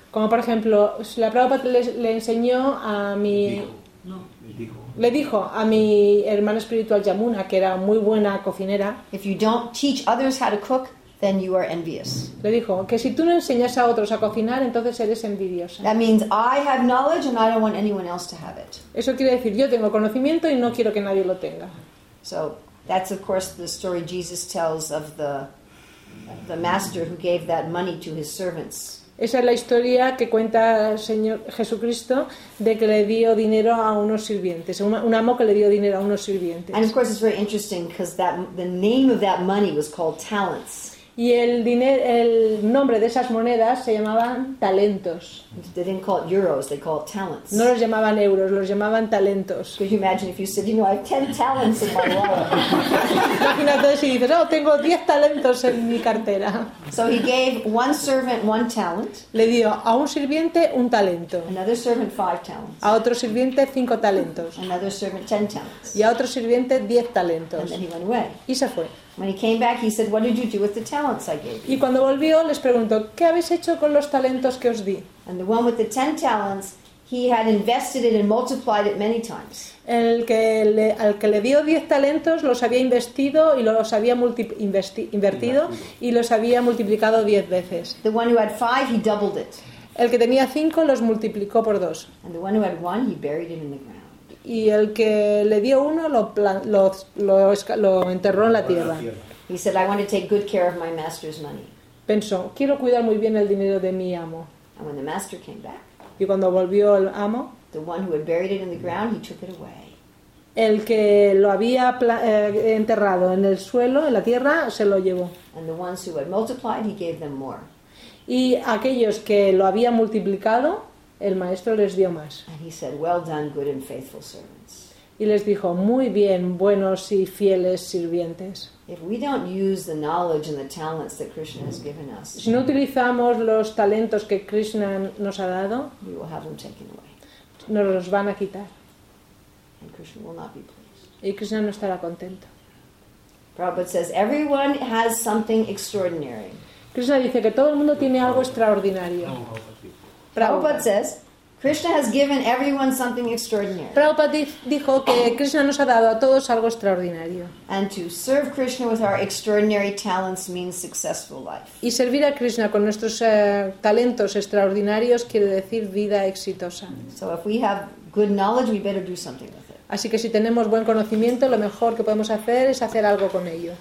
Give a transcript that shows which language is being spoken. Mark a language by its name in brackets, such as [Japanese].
[Spanish] Como por ejemplo, la Prabhupada le enseñó a mi... Le dijo a mi hermano espiritual Yamuna, que era muy buena cocinera. [English] If you don't teach others how to cook, then you are envious. [Spanish] Le dijo que si tú no enseñas a otros a cocinar, entonces eres envidiosa. [English] That means I have knowledge and I don't want anyone else to have it. [Spanish] Eso quiere decir yo tengo conocimiento y no quiero que nadie lo tenga. [English] So that's of course the story Jesus tells of the master who gave that money to his servants. [Spanish] Esa es la historia que cuenta el Señor Jesucristo de que le dio dinero a unos sirvientes, un amo que le dio dinero a unos sirvientes. [English] And of course it's very interesting because that the name of that money was called talents. [Spanish] Y el nombre de esas monedas se llamaban talentos. [English] They didn't call it euros, they called it talents. [Spanish] No los llamaban euros, los llamaban talentos. [English] Could you imagine if you said, you know, I have 10 talents in my wallet? [Spanish] Imagínate si dices, oh, tengo 10 talentos en mi cartera. [English] So he gave one servant one talent. [Spanish] Le dio a un sirviente un talento. [English] Another servant 5 talents. [Spanish] A otro sirviente 5 talentos. [English] Another servant 10 talents. [Spanish] Y a otro sirviente 10 talentos. [English] And then he went away. [Spanish] Y se fue. [English] When he came back, he said, what did you do with the talents I gave you? [Spanish] Y cuando volvió, les preguntó, ¿qué habéis hecho con los talentos que os di? [English] And the one with the 10 talents, he had invested it and multiplied it many times. [Spanish] Al que le dio 10 talentos, los había investido y los había invertido y los había multiplicado 10 veces. [English] The one who had 5, he doubled it. [Spanish] El que tenía 5, los multiplicó por 2. [English] And the one who had 1, he buried it in the ground. [Spanish] Y el que le dio uno lo enterró en la tierra. [English] He said, I want to take good care of my master's money. [Spanish] Pensó, quiero cuidar muy bien el dinero de mi amo. [English] And when the master came back, [Spanish] y cuando volvió el amo, [English] the one who had buried it in the ground, he took it away. [Spanish] El que lo había enterrado en el suelo, en la tierra, se lo llevó. [English] And the ones who had multiplied, he gave them more. [Spanish] Y aquellos que lo había multiplicado, el maestro les dio más. [English] And he said, well done, good and faithful servants. [Spanish] Y les dijo, muy bien, buenos y fieles sirvientes. [English] If we don't use the knowledge and the talents that Krishna has given us, [Spanish] si no utilizamos los talentos que Krishna nos ha dado, [English] we will have them taken away. [Spanish] Nos los van a quitar. [English] And Krishna will not be pleased. [Spanish] Y Krishna no estará contento. [English] Prabhupada says, everyone has something extraordinary. [Spanish] Krishna dice que todo el mundo tiene algo extraordinario. [English] Prabhupada says, Krishna has given everyone something extraordinary. [Spanish] Prabhupada dijo que Krishna nos ha dado a todos algo extraordinario. [English] And to serve Krishna with our extraordinary talents means successful life. [Spanish] Y servir a Krishna con nuestros talentos extraordinarios quiere decir vida exitosa. [English] So if we have good knowledge, we better do something with it. [Spanish] Así que si tenemos buen conocimiento, lo mejor que podemos hacer es hacer algo con ello.